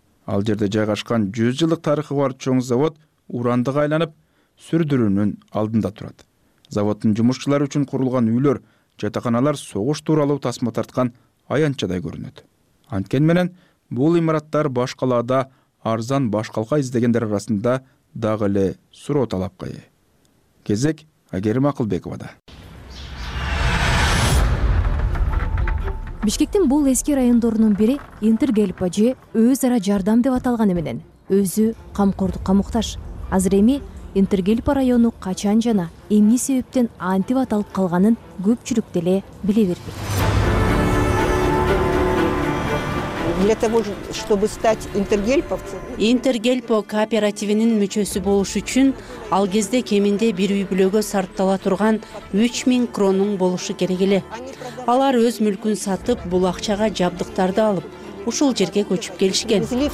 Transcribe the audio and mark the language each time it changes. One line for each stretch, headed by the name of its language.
Kyrgyz: Ал жерде жайгашкан 100 жылдык тарыхы бар чоң завод урандыга айланып, сүрдүрүүнүн алдында турат. Заводдун жумушчулары үчүн курулган үйлөр, жатаканалар согуш тууралуу тасма тарткан аянтчадай көрүнөт. Анткен менен бул имараттар баш калада арзан башкалка издегендер арасында дагы эле суроо талапка ээ. Кезек Агерим Акылбековада. Бишкектин бул эски райондорунун бири Интергельпо же өз ара жардам деп аталганы менен өзү камкордукка муктаж. Азыр эми Интергельпо району качан жана эмне себептен антип аталып калганын көпчүлүк деле биле бербейт.
Russian: Для того, чтобы стать интергельповцем.
Kyrgyz: Интергельпо кооперативинин мүчөсү болуш үчүн ал кезде кеминде бир үй бүлөгө сарптала турган 3000 кронун болушу керек эле. Алар өз мүлкүн сатып, бул акчага жабдыктарды алып, ушул жерге көчүп келишкен.